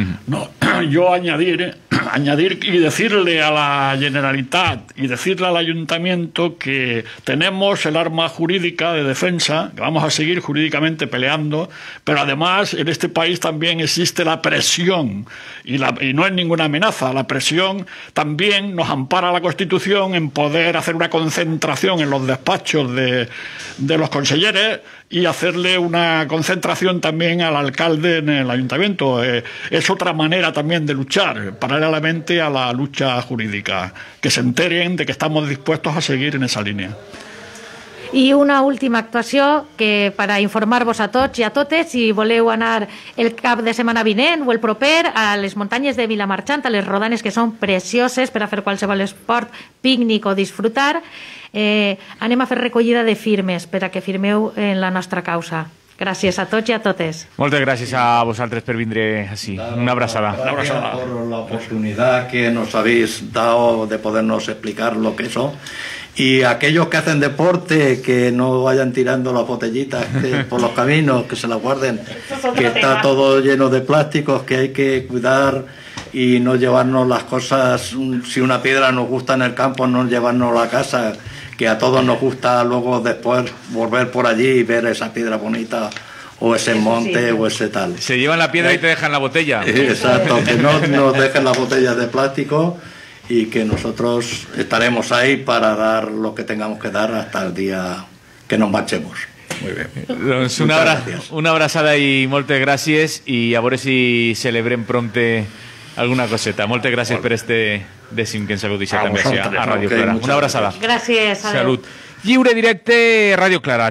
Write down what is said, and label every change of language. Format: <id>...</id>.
<es>No, yo añadir y decirle a la Generalitat y decirle al Ayuntamiento que tenemos el arma jurídica de defensa, que vamos a seguir jurídicamente peleando, pero además en este país también existe la presión, y no es ninguna amenaza, la presión también nos ampara la Constitución en poder hacer una concentración en los despachos de los conselleres y hacerle una concentración también al alcalde en el ayuntamiento. Es otra manera también de luchar, paralelamente a la lucha jurídica. Que se enteren de que estamos dispuestos a seguir en esa línea.</es> <ca>I una última actuació que per a informar-vos a tots i a totes, si voleu anar el cap de setmana vinent o el proper a les muntanyes de Vilamarxant, a les Rodanes, que són precioses per a fer qualsevol esport, pícnic o disfrutar, anem a fer recollida de firmes per a que firmeu en la nostra causa. Gràcies a tots i a totes. Moltes gràcies a vosaltres per vindre així. Una abraçada. Una abraçada. Gràcies per l'oportunitat</ca> <es>que nos habéis dado de podernos explicar lo que son. Y aquellos que hacen deporte, que no vayan tirando las botellitas por los caminos, que se las guarden, que está todo lleno de plásticos, que hay que cuidar y no llevarnos las cosas, si una piedra nos gusta en el campo, no llevarnos la casa, que a todos nos gusta luego después volver por allí y ver esa piedra bonita. O ese monte, sí, sí. O ese tal. Se llevan la piedra y te dejan la botella. Exacto, que no nos dejen las botellas de plástico y que nosotros estaremos ahí para dar lo que tengamos que dar hasta el día que nos marchemos. Muy bien.</es> <ca>Doncs una abraçada i moltes gràcies i a veure si celebrem prompte alguna coseta. Moltes gràcies per este dècim que ens heu deixat també a Ràdio Clara. Una abraçada. Gràcies. Salut. Lliure directe, Ràdio Clara.</ca>